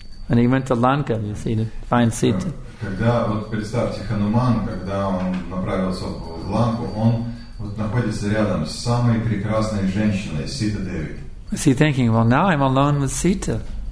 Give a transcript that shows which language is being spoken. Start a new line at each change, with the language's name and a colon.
English: And he went to Lanka, you see, to find Sita.
Russian: Когда вот представьте Хануман, когда он направился в Ланку, он вот находится рядом с самой прекрасной женщиной, Сита Деви.
English: Is he thinking, well, now I'm alone with Sita?